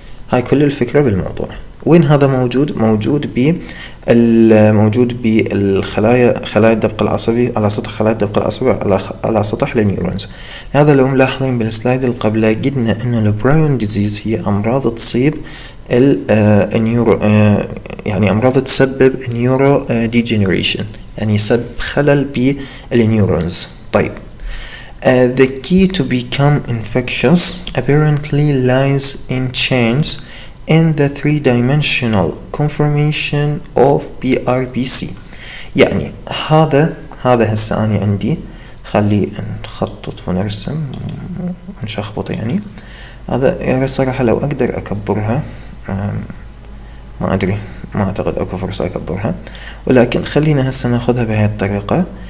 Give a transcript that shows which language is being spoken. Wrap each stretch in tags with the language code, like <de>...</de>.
<ar>هاي كل الفكرة بالموضوع وين هذا موجود؟ موجود بالخلايا الدبق العصبي على سطح خلايا الدبق العصبي على سطح النيورونز هذا لو ملاحظين بالسلايد القبلة قلنا انه البرايون ديزيز هي امراض تصيب النيورو يعني امراض تسبب النيورو ديجنريشن يعني يسبب خلل بالنيورونز طيب</ar> <en>the key to become infectious apparently lies in change in the three-dimensional conformation of PRBC.</en> <ar>يعني هذا هسه أنا عندي، خلي نخطط ونرسم ونشخبط يعني. هذا يعني صراحة لو أقدر أكبرها، ما أدري، ما أعتقد أكو فرصة أكبرها، ولكن خلينا هسه نأخذها بهاي الطريقة.</ar>